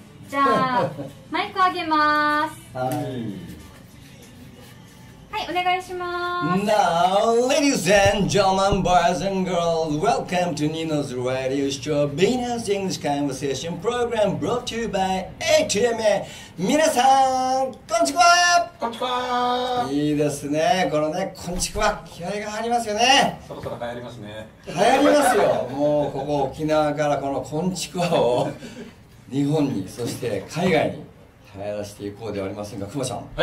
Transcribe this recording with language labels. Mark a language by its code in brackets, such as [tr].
[ja] じゃあ、マイクあげまーす。はい。はい、お願いします。 [en] Now, ladies and gentlemen, boys and girls, welcome to Nino's Radio Show Venus English Conversation Program brought to you by ATMA. [ja] 皆さん、こんにちは。こんにちは。いいですね、このね、こんにちは、気合が入りますよね。そろそろ流行りますね。流行りますよ、もうここ沖縄からこのこんにちはを日本に、そして海外に流行らせていこうではありませんか、くまちゃん。